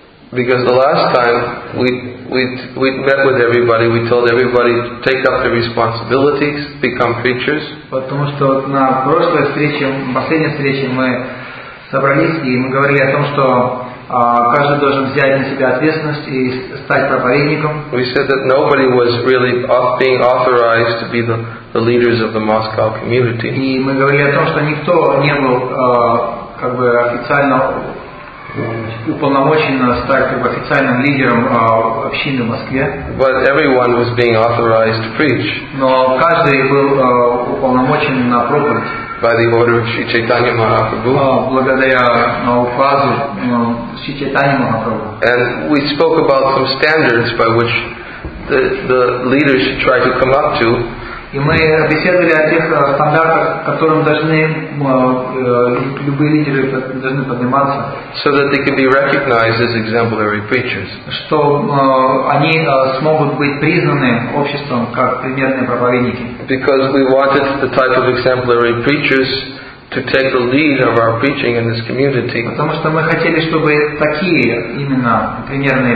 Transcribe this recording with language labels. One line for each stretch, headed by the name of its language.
English: Because the last time we met with everybody, we told everybody to take up their responsibilities, become preachers.
Russian: Потому что на прошлой встрече, последней встрече мы собрались и мы говорили о том, что каждый должен взять на себя ответственность и стать проповедником.
English: We said that nobody was really being authorized to be the leaders of the Moscow community.
Russian: И мы говорили о том, что никто не был как бы официально уполномочен стать как бы официальным лидером общины в Москве.
English: But everyone was being authorized to preach.
Russian: Но каждый был уполномочен на проповедь.
English: By the order of Sri Chaitanya Mahaprabhu.
Russian: Благодаря указу Sri Chaitanya Mahaprabhu.
English: And we spoke about some standards by which the leaders should try to come up to.
Russian: И мы беседовали о тех стандартах, которым должны любые лидеры должны подниматься.
English: So that they can be recognized as exemplary preachers.
Russian: Что они смогут быть признаны обществом как примерные проповедники.
English: Because we wanted the type of exemplary preachers to take the lead of our preaching in this community.
Russian: Потому что мы хотели, чтобы такие именно примерные.